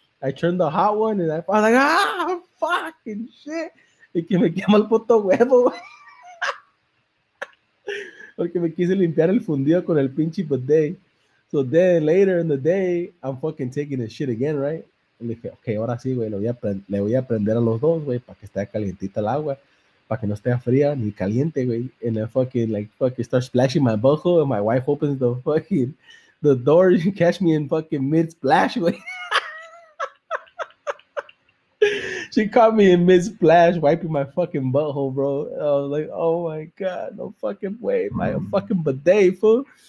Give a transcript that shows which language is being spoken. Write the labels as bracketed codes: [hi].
[en] I turned the hot one and I was like, ah, fucking shit. [es] Y que me quemó el puto huevo, güey. Porque me quise limpiar el fundido con el pinche bidet. [en] So then later in the day, I'm fucking taking the shit again, right? [es] Y dije, okay, ahora sí, güey, le voy a prender a los dos, güey, para que esté calientita el agua, para que no esté fría ni caliente, güey. [en] And I fucking, like, fucking start splashing my butthole, and my wife opens the fucking, the door, and catch me in fucking mid-splash, güey. She caught me in mid-splash, wiping my fucking butthole, bro. And I was like, oh my God, no fucking way, my fucking bidet, fool.